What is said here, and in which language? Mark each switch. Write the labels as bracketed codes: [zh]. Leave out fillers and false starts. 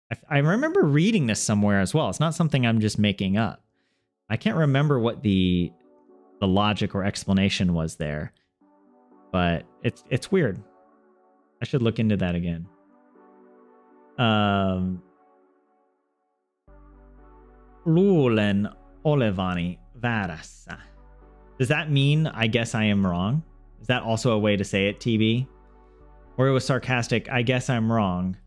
[en] I remember reading this somewhere as well. It's not something I'm just making up. I can't remember what the logic or explanation was there, but it's weird. I should look into that again. [fi] Luulen olevani väärässä. [en] Does that mean I guess I am wrong? Is that also a way to say it, TB? Or it was sarcastic, I guess I'm wrong.